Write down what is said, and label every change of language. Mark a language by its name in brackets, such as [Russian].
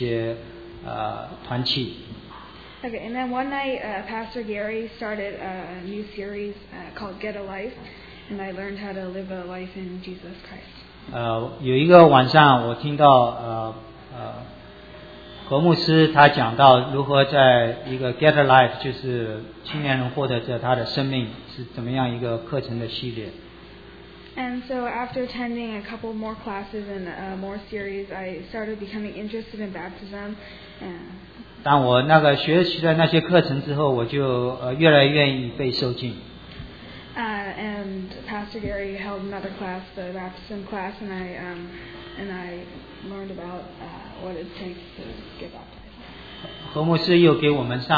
[Chinese] 所以有两年的时间，我星期天来主日学，星期五晚上我们有一些团契。 [English] Okay, and then one night, Pastor Gary started a new series called Get a Life, and I learned how to live a life in Jesus Christ. [Chinese] 有一个晚上，我听到何牧师他讲到如何在一个 Get a Life， 就是青年人获得着他的生命是怎么样一个课程的系列。 [English] And so after attending a couple more classes and more series, I started becoming interested in baptism. [Chinese] 当我那个学习了那些课程之后，我就越来越愿意被受浸。 [English] And Pastor Gary held another class, the baptism class, and I learned about what it takes to get baptized.